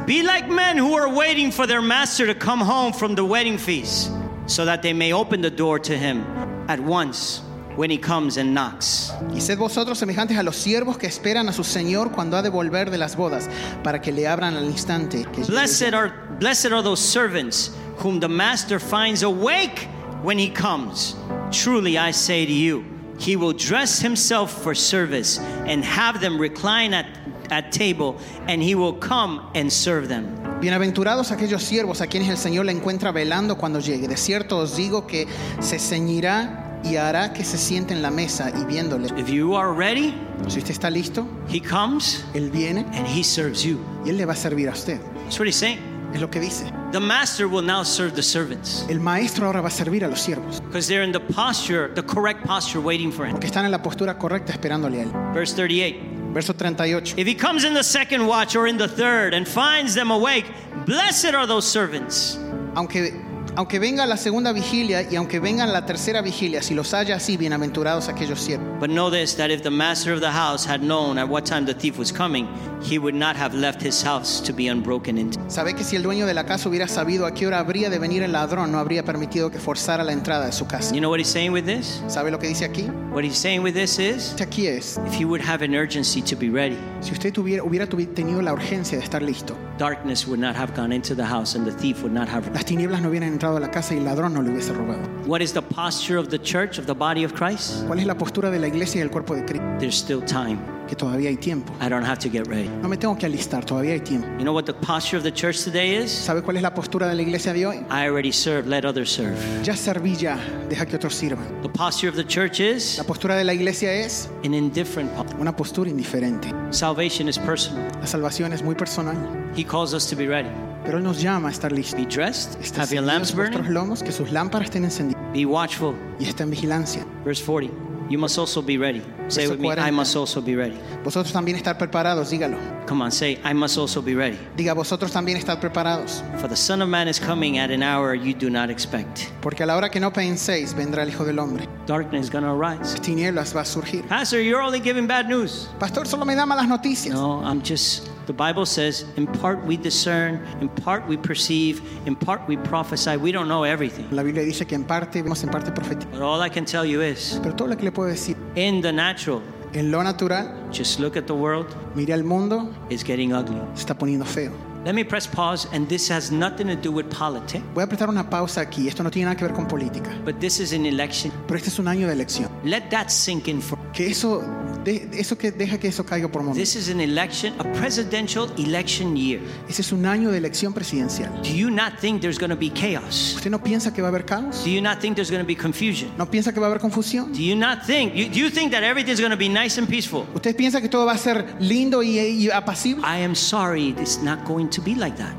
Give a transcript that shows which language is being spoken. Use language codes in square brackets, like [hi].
[en] Be like men who are waiting for their master to come home from the wedding feast, so that they may open the door to him at once when he comes and knocks. [es] Y sed vosotros semejantes a los siervos que esperan a su señor cuando ha de volver de las bodas, para que le abran al instante. [en] Blessed are those servants whom the master finds awake when he comes. Truly I say to you, he will dress himself for service and have them recline at table, and he will come and serve them. [es] Bienaventurados aquellos siervos a quienes el Señor le encuentra velando cuando llegue. De cierto os digo que se ceñirá y hará que se siente en la mesa y viéndole. [en] If you are ready, [es] si usted está listo, [en] he comes, [es] él viene, [en] and he serves you. [es] Y él le va a servir a usted. [en] That's what he's saying. [es] Es lo que dice. [en] The master will now serve the servants. [es] El maestro ahora va a servir a los siervos. [en] Because they're in the posture, the correct posture, waiting for him. [es] Porque están en la postura correcta esperándole a él. [en] Verse 38. If he comes in the second watch or in the third and finds them awake, blessed are those servants. [es] Aunque venga la segunda vigilia y aunque venga la tercera vigilia, si los haya así, bienaventurados aquellos siervos. [en] But know this, that if the master of the house had known at what time the thief was coming, he would not have left his house to be unbroken into. [es] Sabe que si el dueño de la casa hubiera sabido a qué hora habría de venir el ladrón, no habría permitido que forzara la entrada de su casa. [en] You know what he's saying with this? [es] ¿Sabe lo que dice aquí? [en] What he's saying with this is, [es] aquí es, [en] if he would have an urgency to be ready, [es] si usted hubiera tenido la urgencia de estar listo, [en] darkness would not have gone into the house and the thief would not have. [es] Las tinieblas no hubieran entrado a la casa y el ladrón no le hubiese robado. [en] What is the posture of the church, of the body of Christ? [es] ¿Cuál es la postura de la iglesia y el cuerpo de Cristo? [en] There's still time. [es] Que todavía hay tiempo. [en] I don't have to get ready. [es] No me tengo que alistar, todavía hay tiempo. [en] You know what the posture of the church today is? [es] ¿Sabe cuál es la postura de la iglesia de hoy? [en] I already serve, let others serve. [es] Ya serví ya, deja que otros sirvan. [en] The posture of the church is? [es] La postura de la iglesia es? [en] An indifferent posture. [es] Una postura indiferente. [en] Salvation is personal. [es] La salvación es muy personal. [en] He calls us to be ready. [es] Pero él nos llama a estar listos. [en] Be dressed, have your lamps burning. [es] Vuestros lomos, que sus lámparas estén encendidas. [en] Be watchful. [es] Y estén en vigilancia. [en] Verse 40. You must also be ready. Say it with me, I must also be ready. [es] Vosotros también estar preparados, dígalo. [en] Come on, say, I must also be ready. [es] Diga, vosotros también estar preparados. [en] For the Son of Man is coming at an hour you do not expect. [es] Porque a la hora que no penséis, vendrá el Hijo del Hombre. [en] Darkness is going to arise. [es] Tinieblas va a surgir. [en] Pastor, you're only giving bad news. [es] Pastor, solo me da malas noticias. [en] No, I'm just, the Bible says, in part we discern, in part we perceive, in part we prophesy. We don't know everything. [es] La Biblia dice que en parte vemos, en parte profetizamos. [en] But all I can tell you is, [es] pero todo lo que le puedo decir, [en] in the natural, [es] en lo natural, [en] just look at the world, [es] mire al mundo, [en] it's getting ugly. [es] Se está poniendo feo. [en] Let me press pause, and this has nothing to do with politics. [es] Voy a apretar una pausa aquí. Esto no tiene nada que ver con política. [en] But this is an election. [es] Pero este es un año de elección. [en] Let that sink in for. [es] Que eso eso que deja que eso caiga por un momento. [en] This is an election, a presidential election year. [es] Ese es un año de elección presidencial. [en] Do you not think there's going to be chaos? [es] ¿Usted no piensa que va a haber caos? [en] Do you not think there's going to be confusion? [es] ¿No piensa que va a haber confusión? [en] Do you not think? Do you think that everything is going to be nice and peaceful? [es] ¿Usted piensa que todo va a ser lindo y apacible? [en] I am sorry, it's not going to be like that.